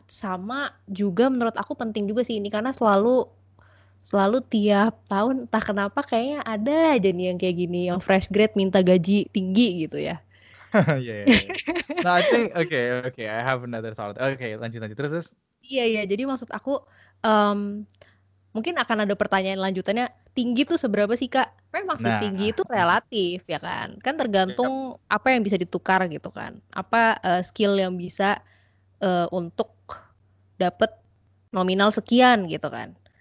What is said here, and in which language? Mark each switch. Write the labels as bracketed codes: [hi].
[id] Sama juga menurut aku penting juga sih ini, karena selalu tiap tahun entah kenapa kayaknya ada aja nih yang kayak gini, yang fresh grad minta gaji tinggi gitu ya. [en] Nah, I think okay, I have another thought. [id] Okay, lanjut terus. Iya, jadi maksud aku mungkin akan ada pertanyaan lanjutannya, tinggi tuh seberapa sih kak? Maksud tinggi itu relatif ya kan? Kan tergantung apa yang bisa ditukar gitu kan? Apa skill yang bisa untuk dapet nominal sekian gitu kan?